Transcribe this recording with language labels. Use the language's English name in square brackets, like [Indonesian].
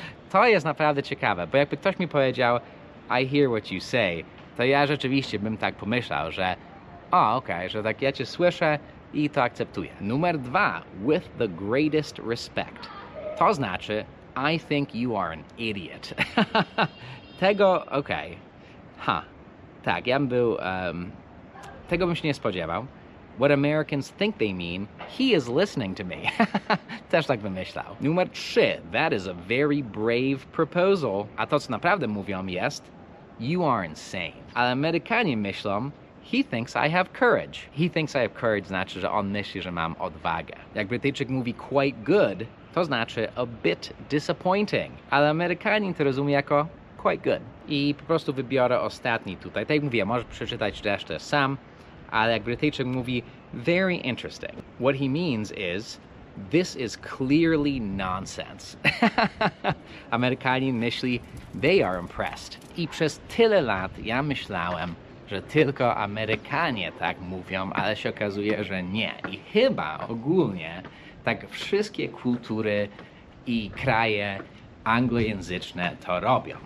[Polish] To jest naprawdę ciekawe, bo jakby ktoś mi powiedział, [English] I hear what you say, [Polish] to ja rzeczywiście bym tak pomyślał, że o, okej, że tak ja cię słyszę i to akceptuję. Numer dwa, [English] with the greatest respect. [Polish] To znaczy, [English] I think you are an idiot. [Polish] Tego, okej. Ha, tak, ja bym był, tego bym się nie spodziewał. [English] What Americans think they mean, he is listening to me. [Polish] Też tak bym myślał. Numer trzy, [English] that is a very brave proposal. [Polish] A to, co naprawdę mówią, jest, [English] you are insane. [Polish] Ale Amerykanie myślą, [English] he thinks I have courage. He thinks I have courage [Polish] znaczy, że on myśli, że mam odwagę. Jak Brytyjczyk mówi [English] quite good, [Polish] to znaczy [English] a bit disappointing. [Polish] Ale Amerykanin to rozumie jako [English] quite good. [Polish] I po prostu wybiorę ostatni tutaj. Tak jak mówię, możesz przeczytać resztę sam, ale jak Brytyjczyk mówi [English] very interesting. What he means is, this is clearly nonsense. [Polish] Amerykanin myśli, [English] they are impressed. [Polish] I przez tyle lat ja myślałem, że tylko Amerykanie tak mówią, ale się okazuje, że nie. I chyba ogólnie tak wszystkie kultury i kraje anglojęzyczne to robią.